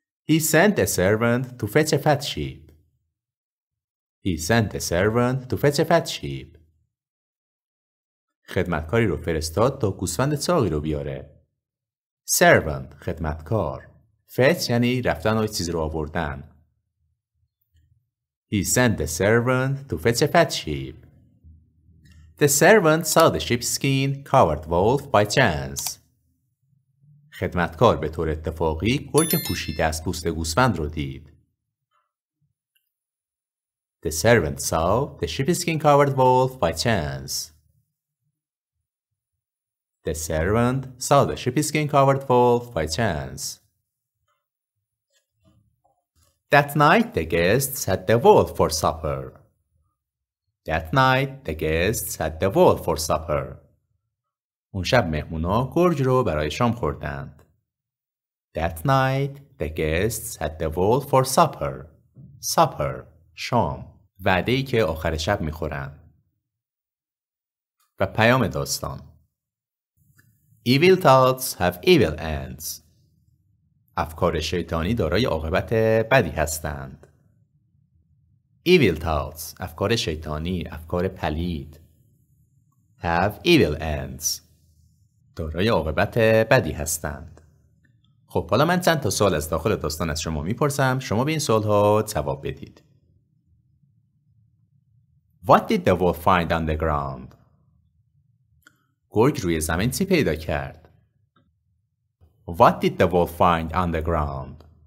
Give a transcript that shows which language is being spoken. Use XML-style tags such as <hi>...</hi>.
<en>He sent a servant to fetch a fat sheep. He sent a servant to fetch a fat sheep.</en> <fa>خدمتکاری رو فرستاد تا گوسفند چاقی رو بیاره. Servant، خدمتکار. Fetch یعنی رفتن و چیز رو آوردن.</fa> <en>He sent the servant to fetch a fat sheep. The servant saw the sheepskin covered wolf by chance.</en> <fa>خدمتکار به طور اتفاقی گرگ پوشیده از پوست گوسفند رو دید.</fa> <en>The servant saw the sheepskin covered wolf by chance. The servant saw the sheepskin covered wolf by chance. That night the guests had the wolf for supper. That night the guests had the wolf for supper.</en> <fa>اون شب مهمونا گرگ رو برای شام خوردند.</fa> <en>That night the guests had the wolf for supper.</en> <fa>Supper, شام. وعده ای که آخر شب میخورن. و پیام داستان.</fa> <en>Evil thoughts have evil ends.</en> <fa>افکار شیطانی دارای عاقبت بدی هستند.</fa> <en>Evil thoughts,</en> <fa>افکار شیطانی، افکار پلید.</fa> <en>Have evil ends.</en> <fa>دارای عاقبت بدی هستند. خب حالا من چند تا سوال از داخل داستان از شما میپرسم. شما به این سوال ها جواب بدید.</fa> <en>What did the wolf find on the ground?</en> <fa>گرگ روی زمین چی پیدا کرد؟</fa> <en>What did the wolf find on the ground?</en>